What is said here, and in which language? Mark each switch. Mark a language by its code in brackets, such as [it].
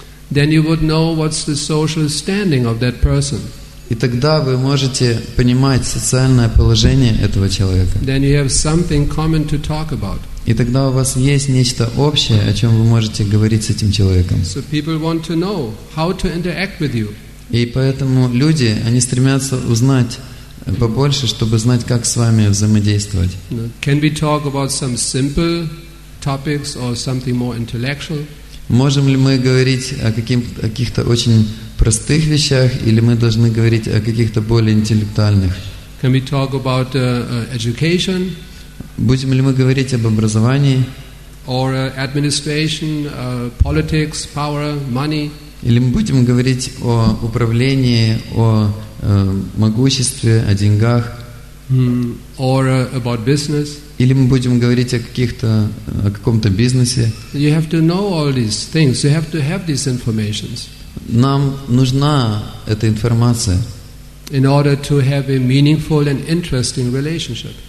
[en] Then you would know what's the social standing of that person. [ru] И тогда вы можете понимать социальное положение этого человека. [en] Then you have something common to talk about. [ru] И тогда у вас есть нечто общее, о чем вы можете говорить с этим человеком. [en] So people want to know how to interact with you. [ru] И поэтому люди, они стремятся узнать побольше, чтобы знать, как с вами взаимодействовать. [en] Can we talk about some simple topics or something more intellectual? [ru] Можем ли мы говорить о каких-то очень простых вещах, или мы должны говорить о каких-то более интеллектуальных? [en] Can we talk about education? [ru] Будем ли мы говорить об образовании? [en] Or administration, politics, power, money? [ru] Или мы будем говорить о управлении, о могуществе, о деньгах? [en] Or about business. [ru] Или мы будем говорить о каком-то бизнесе. [en] You have to know all these things. You have to have these informations. [ru] Нам нужна эта информация. [en] In order to have a meaningful and interesting relationship.